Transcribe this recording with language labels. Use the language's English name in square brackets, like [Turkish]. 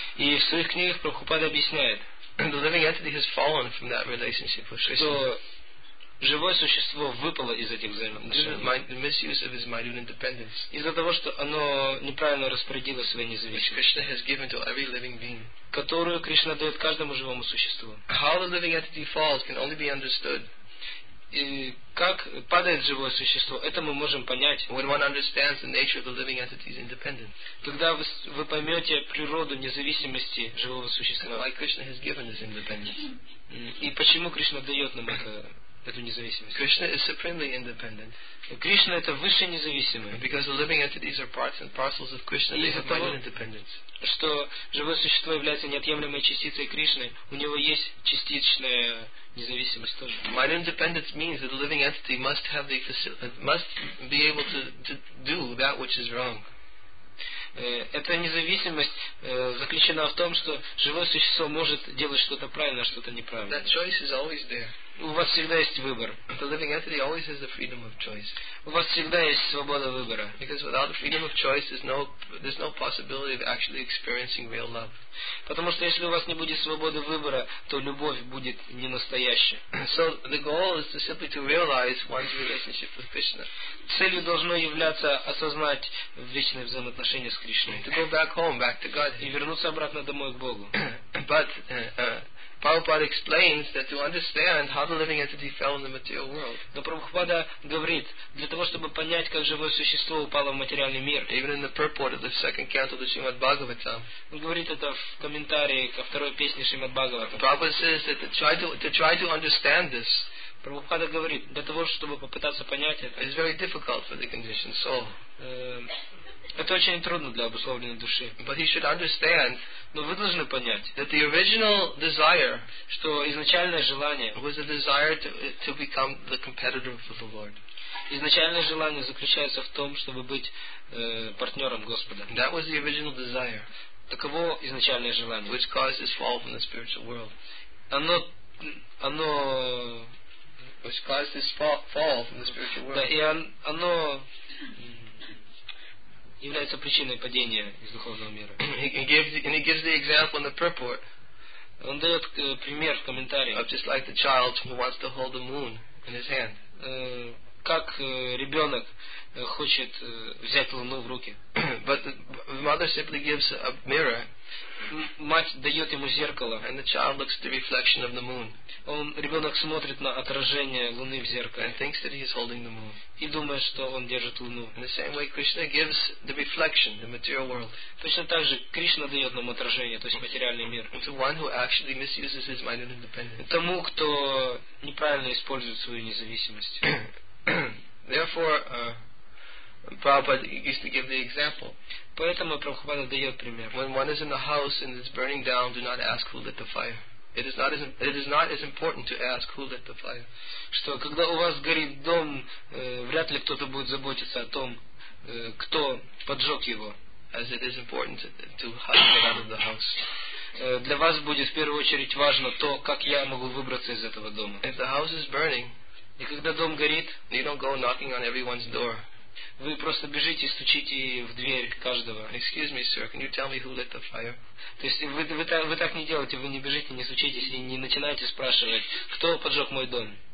[Russian] И в своих книгах Прабхупада объясняет. [English] the living entity has fallen from that relationship with Krishna. [Russian] Что живое существо выпало из этих взаимоотношений. Из-за того, что оно неправильно распорядило свои независимости, которую Кришна дает каждому живому существу. [English] How the living entity falls can only be understood. [Russian] И как падает живое существо, это мы можем понять. [English] When one understands the nature of the living entity's independence. [Russian] Когда вы поймете природу независимости живого существа. [English] And why Krishna has given this independence. [Russian] И почему Кришна дает нам это, эту независимость. [English] Krishna is supremely independent. [Russian] Кришна это высшее независимое. [English] Because the living entities are parts and parcels of Krishna. They have total independence. [Russian] Что живое существо является неотъемлемой частицей Кришны, у него есть частичная независимость тоже. [English] Mind independence means that the living entity must have the must be able to do that which is wrong. [Russian] Эта независимость заключена в том, что живое существо может делать что-то правильно, а что-то неправильно. [English] That choice is always there. [Russian] У вас всегда есть выбор. [English] The living entity always has the freedom of choice. [Russian] У вас всегда есть свобода выбора. [English] Because without the freedom of choice, there's no possibility of actually experiencing real love. [Russian] Потому что если у вас не будет свободы выбора, то любовь будет не настоящей. [English] So the goal is to simply to realize one's relationship with Krishna. [Russian] Целью должно являться осознать вечные взаимоотношения с Кришной. [English] To go back home, back to God. [Russian] И вернуться обратно домой к Богу. [English] But Prabhupada explains that to understand how the living entity fell in the material world. [Russian] Но Прабхупада говорит, для того чтобы понять, как живое существо упало в материальный мир. [English] Even in the purport of the second canto of the Srimad Bhagavatam. [Russian] Он говорит это в комментарии ко второй песне Шримад Бхагаватам. [English] Prabhupada says that to try to understand this. [Russian] Прабхупада говорит, для того чтобы попытаться понять это. [English] It's very difficult for the conditioned soul. [Russian] Это очень трудно для обусловленной души. [English] But he should understand. [Russian] Но вы должны понять, [English] that the original desire, [Russian] что изначальное желание, [English] was a desire to become the competitor for the Lord. [Russian] Изначальное желание заключается в том, чтобы быть партнером Господа. [English] That was the original desire. [Russian] Таково изначальное желание, [English] which caused his fall from the spiritual world. [Russian] Оно [English] which caused his fall from the spiritual world. [Russian] Да, и оно является причиной падения из духовного мира. [English] He gives the example in the purport. [Russian] Он дает пример в комментарии. [English] Just like the child who wants to hold the moon in his hand. [Russian] Как ребенок хочет взять луну в руки. [English] But the mother simply gives a mirror. [Russian] Мать дает ему зеркало. [English] And the child looks at the reflection of the moon. [Russian] Он ребенок смотрит на отражение луны в зеркале. [English] And thinks that he's holding the moon. [Russian] И думает, что он держит луну. [English] In the same way, Krishna gives the reflection, the material world. [Russian] Точно так же Кришна дает нам отражение, то есть материальный мир. [English] To one who actually misuses his mind and independence. [Russian] Тому, кто неправильно использует свою независимость. [English] Therefore, Prabhupada used to give the example. [Russian] Поэтому Прабхупада дает пример. [English] When one is in the house and it's burning down, do not ask who lit the fire. It is not as important to ask who lit the fire. [Russian] Что когда у вас горит дом, вряд ли кто-то будет заботиться о том, кто поджег его. [English] As it is important to hide it out of the house. [Russian] Для вас будет в первую очередь важно то, как я могу выбраться из этого дома. [English] If the house is burning, [Russian] и когда дом горит, [English] you don't go knocking on everyone's door. [Russian] Вы просто бежите и стучите в дверь каждого. [English] Excuse me, sir, can you tell me who lit the fire? [Russian] То есть вы так не делаете, вы не бежите, не стучитесь и не начинаете спрашивать, кто поджег мой дом?